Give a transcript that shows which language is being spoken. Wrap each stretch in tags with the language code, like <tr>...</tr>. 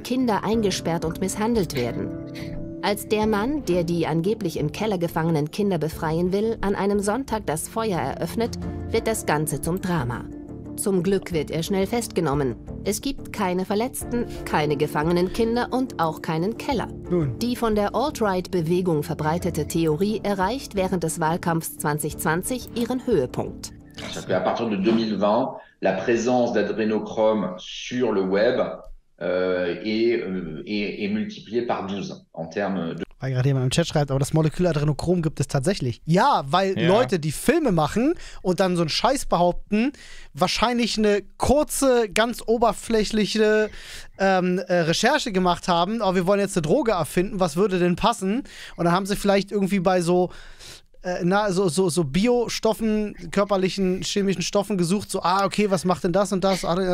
<de>Kinder eingesperrt und misshandelt werden. Als der Mann, der die angeblich im Keller gefangenen Kinder befreien will, an einem Sonntag das Feuer eröffnet, wird das Ganze zum Drama. Zum Glück wird er schnell festgenommen. Es gibt keine Verletzten, keine gefangenen Kinder und auch keinen Keller. Nun. Die von der Alt-Right-Bewegung verbreitete Theorie erreicht während des Wahlkampfs 2020 ihren Höhepunkt.</de> <fr>À partir de 2020, la présence d'Adrenochrome sur le Web est multiplié par 12 en termes de...</fr> <de>Weil gerade jemand im Chat schreibt, aber das Molekül Adrenochrom gibt es tatsächlich. Ja, weil Leute, die Filme machen und dann so einen Scheiß behaupten, wahrscheinlich eine kurze, ganz oberflächliche Recherche gemacht haben. Aber wir wollen jetzt eine Droge erfinden, was würde denn passen? Und dann haben sie vielleicht irgendwie bei so Biostoffen, körperlichen, chemischen Stoffen gesucht, so, ah, okay, was macht denn das und das?</de>